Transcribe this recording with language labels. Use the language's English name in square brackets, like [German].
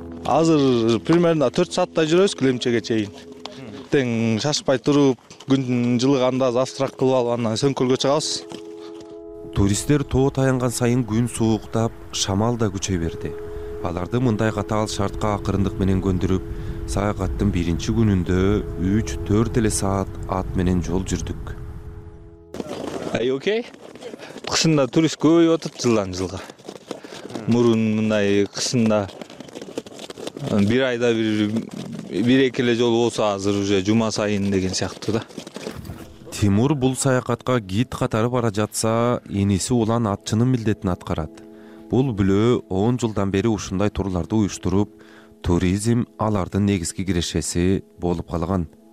[Kyrgyz] Азыр примерно 4 сааттай жүрөбүз Климчеге чейин. Тең шашпай туруп, күн жылыганда завтрак кылып алып, андан сөңкөлгө чыгабыз. Туристтер тоо таянган сайын күн сууктап, шамал да күчөй берди. Аларды мындай катаал шартка акырындык менен көндүрүп, саякаттын биринчи күнүндө 3-4 эле саат ат менен жол жүрдүк. [English] Are you okay? [Kyrgyz] Кысында турист көбөйүп атат жылдан жылга. Мурун мындай кысында бир айда бир эки эле жолу болсо, азыр уже жума сайын деген сыяктуу да. Тимур бул саякатка гид катары бара жатса, иниси улан атчынын милдетин аткарат. Бул бүлөө 10 жылдан бери ушундай турларды уюштуруп, туризм алардын негизги кирешеси болуп калган.